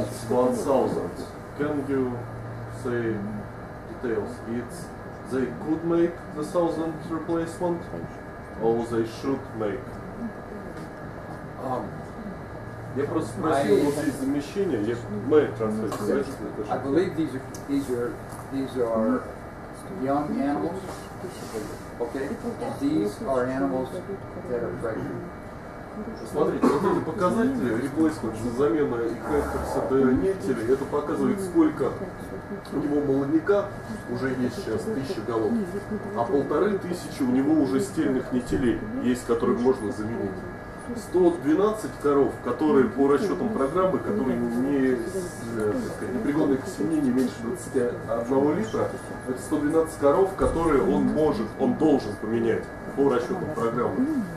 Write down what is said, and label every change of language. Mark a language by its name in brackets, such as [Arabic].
[English] $1,000. Can you say details? It's they could make the 1,000 replacement, or they should make? [Russian] Я просто спросил, вот есть замещение, я [English] may translate. I believe these are young animals. Okay, these are animals that are pregnant. [Russian] Смотрите, вот эти показатели replacement, замена их эффекта донетели, это показывает, сколько у него молодняка уже есть сейчас, 1000 голов, а 1500 у него уже стельных нетелей есть, которые можно заменить. 112 коров, которые по расчетам программы, которые не пригодны к семье, не меньше 21 литра, это 112 коров, которые он может, он должен поменять по расчетам программы.